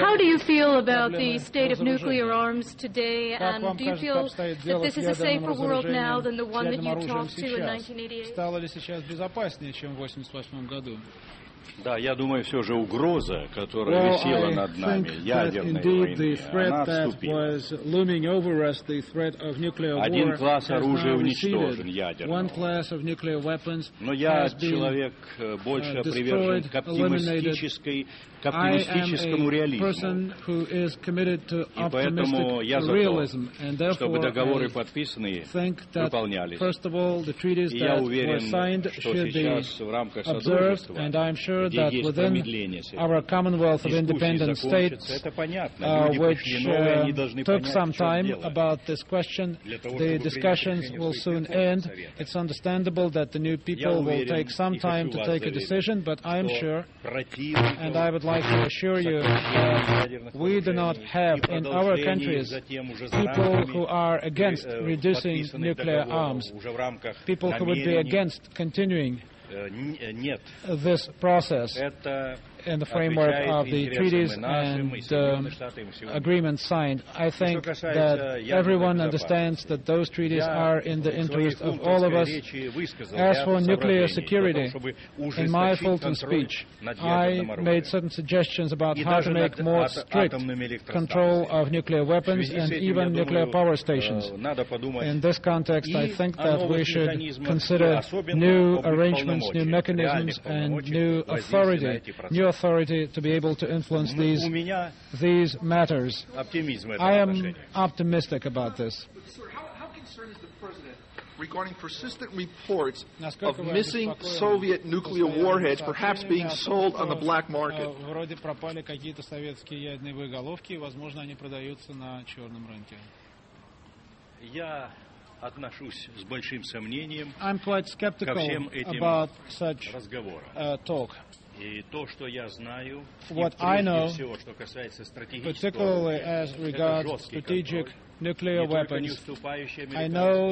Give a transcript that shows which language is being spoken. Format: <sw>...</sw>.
<en>How do you feel about the state of nuclear arms today? And do you feel that this is a safer world now than the one that you talked to in 1988?</en> <ru>Стало ли сейчас безопаснее, чем в 88 году? Да, я думаю, все же угроза, которая висела над нами, ядерной войны, она отступила. Один класс оружия уничтожен, ядерного. Но я человек больше привержен к оптимистическому реализму. И поэтому я за то, чтобы договоры подписанные выполнялись. И я уверен, что сейчас в рамках Содружества, где есть промедление сегодня, дискуссии закончатся, это понятно. Люди пришли новые, они должны понять, в чем дело. Для того, чтобы выйти на Верховный Совет. Я уверен, и хочу вас заверить, что противно.</ru> <en>I assure you, we do not have in our countries people who are against reducing nuclear arms, people who would be against continuing this process in the framework of the treaties and agreements signed. I think that everyone understands that those treaties are in the interest of all of us. As for nuclear security, in my Fulton speech, I made certain suggestions about how to make more strict control of nuclear weapons and even nuclear power stations. In this context, I think that we should consider new arrangements, new mechanisms, and new authority to be able to influence these matters. I am optimistic about this. Sir, how concerned is the President regarding persistent reports of missing Soviet nuclear warheads perhaps being sold on the black market?</en> <ru>Вроде пропали какие-то советские ядерные головки, возможно, они продаются на черном рынке. Я отношусь с большим сомнением ко всем этим разговорам. И то, что я знаю, всего, что касается стратегического, это жесткий контроль, не только не уступающий американскому,</ru>